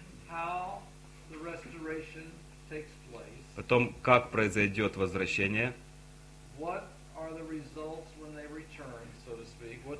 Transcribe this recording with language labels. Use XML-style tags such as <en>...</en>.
<en>How the restoration takes place.</en> <ru>Потом, как произойдет возвращение.</ru> <en>What are the results when they return, so to speak?</en>